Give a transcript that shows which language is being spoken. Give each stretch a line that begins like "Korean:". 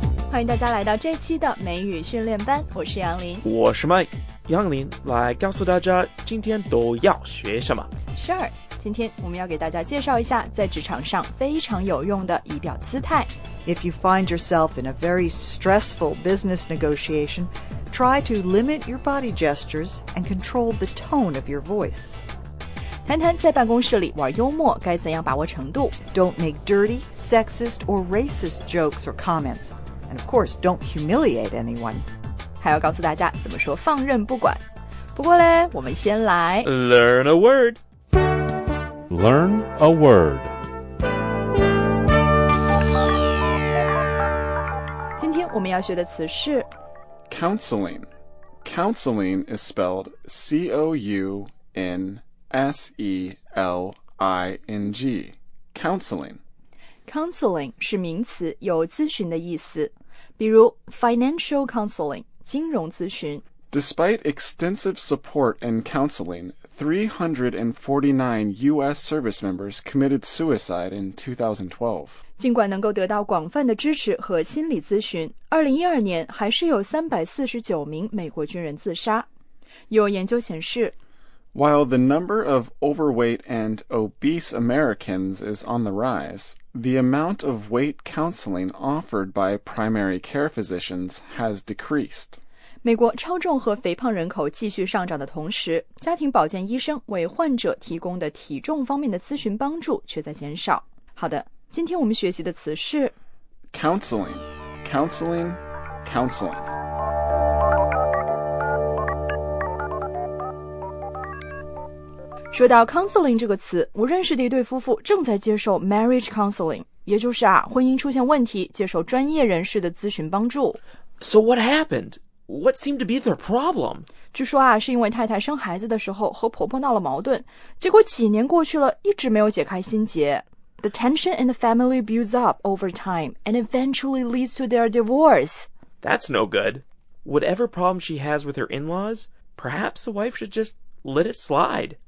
Chinese: 欢迎大家来到这期的美语训练班，我是杨林。我是 Mike。杨林，来告诉大家今天都要学什么。是，今天我们要给大家介绍一下在职场上非常有用的仪表姿态。
English: If you find yourself in a very stressful business negotiation, try to limit your body gestures and control the tone of your voice.
Chinese: 谈谈在办公室里玩幽默该怎样把握程度。
English: Don't make dirty, sexist, or racist jokes or comments. And of course, don't humiliate anyone.
Chinese: 还要告诉大家怎么说放任不管。不过嘞，我们先来
English: Learn a word. Learn a word.
Chinese: 我们要学的词是
English: counseling. Counseling is spelled C-O-U-N-S-E-L-I-N-G. Counseling.
Chinese: Counseling 是名词，有咨询的意思。比如
English: financial counseling,
Chinese: 金融咨询。
English: Despite extensive support and counseling, 349 U.S. service members committed suicide in 2012.
Chinese: 尽管能够得到广泛的支持和心理咨询，2012年还是有349名美国军人自杀。有研究显示
English: While the number of overweight and obese Americans is on the rise, the amount of weight counseling offered by primary care physicians has decreased.
Chinese: 美国超重和肥胖人口继续上涨的同时，家庭保健医生为患者提供的体重方面的咨询帮助却在减少。好的，今天我们学习的词是
English: counseling, counseling, counseling.
Chinese: 说到 counseling 这个词，我认识的一对夫妇正在接受
English: marriage counseling,
Chinese: 也就是啊，婚姻出现问题，接受专业人士的咨询帮助。
English: So what happened? What seemed to be their problem?
Chinese: 据说啊，是因为太太生孩子的时候和婆婆闹了矛盾，结果几年过去了，一直没有解开心结。
English: The tension in the family builds up over time and eventually leads to their divorce. That's no good. Whatever problem she has with her in-laws, perhaps the wife should just let it slide.